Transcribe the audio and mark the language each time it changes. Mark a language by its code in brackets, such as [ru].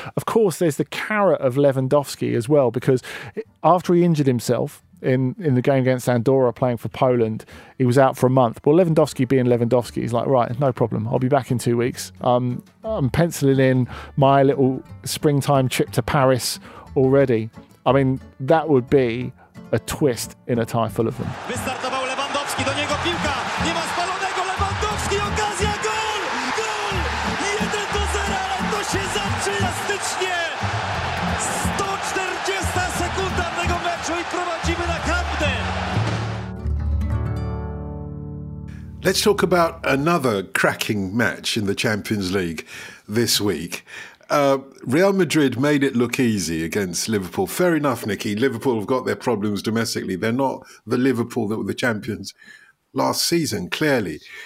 [en] Of course, there's the carrot of Lewandowski as well, because after he injured himself in the game against Andorra playing for Poland, he was out for a month. Well, Lewandowski being Lewandowski, he's like, right, no problem, I'll be back in 2 weeks. I'm penciling in my little springtime trip to Paris already. I mean, that would be a twist in a tie full of them. [pl] Wystartował Lewandowski, do niego piłka, nie ma spalonego, Lewandowski, okazja, gol! Gol! 1-0, ale to się zaczyna stycznie! 140 sekunda tego meczu i prowadzimy na kampę! [en] Let's talk about another cracking match in the Champions League this week. Real Madrid made it look easy against Liverpool. Fair enough, Nicky. Liverpool have got their problems domestically. They're not the Liverpool that were the champions last season, clearly.